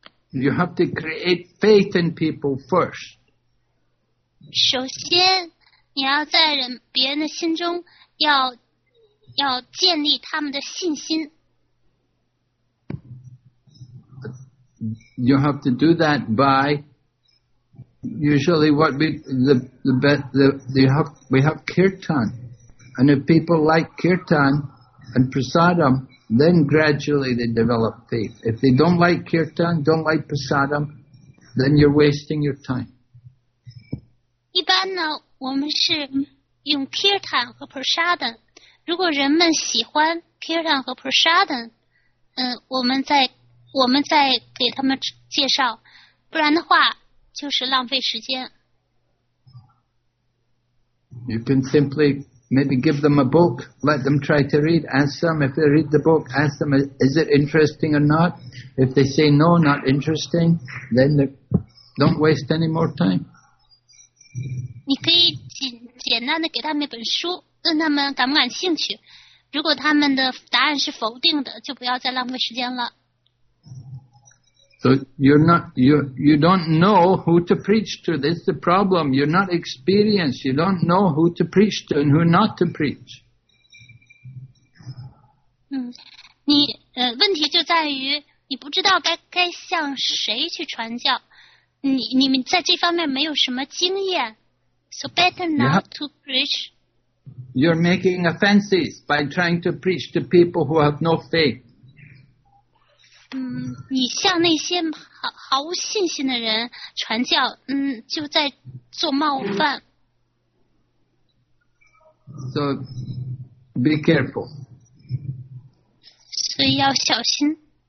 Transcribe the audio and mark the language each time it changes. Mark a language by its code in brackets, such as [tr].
[en] You have to create faith in people first. [zh] 首先，你要在别人的心中要建立他们的信心。 [en] You have to do that by usually what we have kirtan, and if people like kirtan and prasadam, Then gradually they develop faith. If they don't like kirtan, don't like prasadam, then you're wasting your time. [zh] 一般呢，我们是用 kirtan 和 prasadam。如果人们喜欢 kirtan 和 prasadam， 嗯，我们再给他们介绍，不然的话就是浪费时间。 [en] You can simply maybe give them a book, let them try to read, ask them if they read the book, ask them is it interesting or not. If they say no, not interesting, then don't waste any more time. [zh] 你可以简单的给他们一本书，问他们感不感兴趣。如果他们的答案是否定的，就不要再浪费时间了。 [en] So you don't know who to preach to. That's the problem. You're not experienced. You don't know who to preach to and who not to preach. [zh] 嗯，你问题就在于你不知道该向谁去传教。你们在这方面没有什么经验。 [en] So better not to preach. You're making offenses by trying to preach to people who have no faith. [zh] 你向那些毫无信心的人传教，就在做冒犯。 [en] So be careful. [zh] 所以要小心。